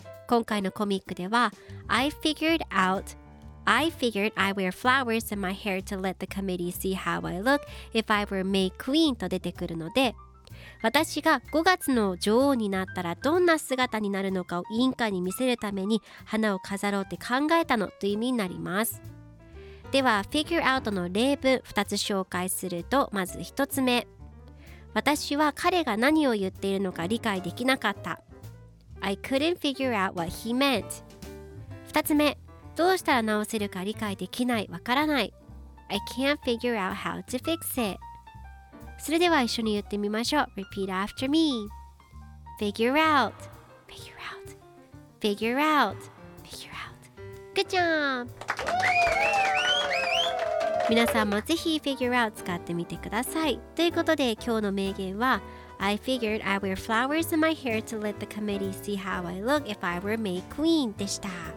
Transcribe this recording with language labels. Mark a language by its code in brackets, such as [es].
[ja] 今回のコミックでは [en] I figured out、I figured I wear flowers in my hair to let the committee see how I look if I were May Queen [ja] と出てくるので、私が5月の女王になったらどんな姿になるのかを委員会に見せるために花を飾ろうって考えたのという意味になります。では figure out の例文2つ紹介すると、まず1つ目、私は彼が何を言っているのか理解できなかった。 [en] I couldn't figure out what he meant。 [ja] 2つ目、どうしたら直せるか理解できない、わからない。 [en] I can't figure out how to fix it。 [ja] それでは一緒に言ってみましょう。 [en] Repeat after me. Figure out. Figure out. Figure out. Figure out. Good job! [ja] 皆さんもぜひ Figure out 使ってみてください。ということで今日の名言は [en] I figured I'd wear flowers in my hair to let the committee see how I look if I were May Queen [ja] でした。